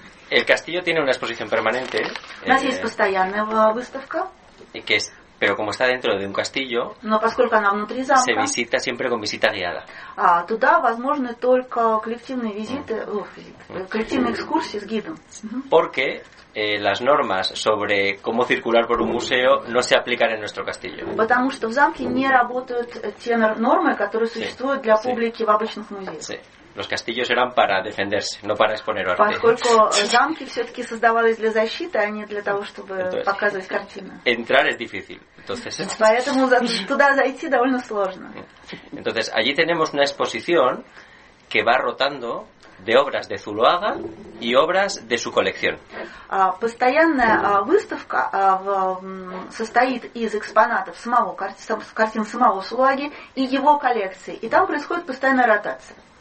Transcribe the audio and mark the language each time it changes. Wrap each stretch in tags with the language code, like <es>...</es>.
<es>El castillo tiene una exposición permanente.</es> <ru>У нас есть постоянная выставка. И</ru> <es>que es... Pero como está dentro de un castillo,</es> <ru>но поскольку она внутри замка,</ru> <es>se visita siempre con visita guiada.</es> <ru>А туда возможны только коллективные визиты, коллективные экскурсии с гидом.</ru> <es>Porque las normas sobre cómo circular por un museo no se aplican en nuestro castillo.</es> <ru>Потому что в замке не работают те нормы, которые существуют для публики в обычных музеях.</ru> <es>Sí. Los castillos eran para defenderse, no para exponer arte.</es> <ru>Поскольку замки все-таки создавались для защиты, а не для того, чтобы показывать картины.</ru> <es>Entrar es difícil. Entonces,</es> <ru>поэтому туда зайти довольно сложно.</ru> <es>Entonces, allí tenemos una exposición que va rotando de obras de Zuloaga y obras de su colección.</es> <ru>Постоянная выставка состоит из экспонатов самого картин самого Зулуаги и его коллекции. И там происходит постоянная ротация.</ru>